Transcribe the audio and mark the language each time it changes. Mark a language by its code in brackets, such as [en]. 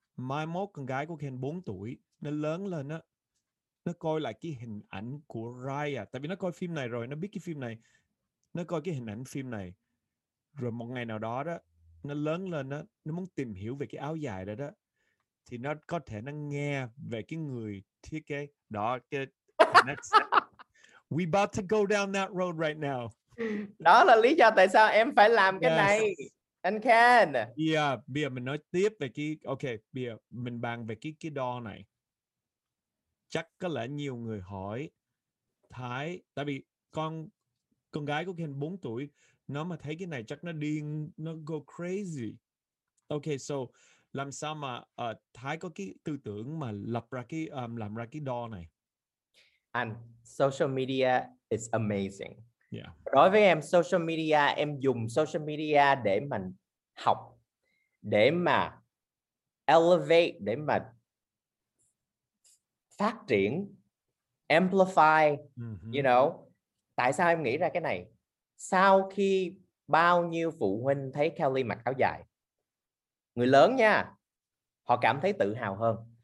[vi] Mai mốt con gái của Ken 4 tuổi, nó lớn lên á, nó coi lại cái hình ảnh của Raya, tại vì nó coi phim này rồi, nó biết cái phim này, nó coi cái hình ảnh phim này. Rồi một ngày nào đó đó, nó lớn lên á, nó muốn tìm hiểu về cái áo dài đó đó, thì nó có thể nó nghe về cái người thiết kế đó. [en] We about to go down that road right now. [vi] Đó là lý do tại sao em phải làm cái này. Anh Ken. Yeah, bây giờ mình nói tiếp về cái, ok, bây giờ mình bàn về cái đo này. Chắc có lẽ nhiều người hỏi Thái, tại vì con gái của Ken 4 tuổi, nó mà thấy cái này chắc nó điên, nó [en] go crazy. [vi] Ok, so làm sao mà Thái có cái tư tưởng mà lập ra cái làm ra cái đo này? [en] Anh, social media is amazing. Yeah. [vi] Đối với em, social media, em dùng social media để mà học, để mà elevate, để mà phát triển, amplify, [en] you know. [vi] Tại sao em nghĩ ra cái này? Sau khi bao nhiêu phụ huynh thấy Kelly mặc áo dài, người lớn nha, họ cảm thấy tự hào hơn.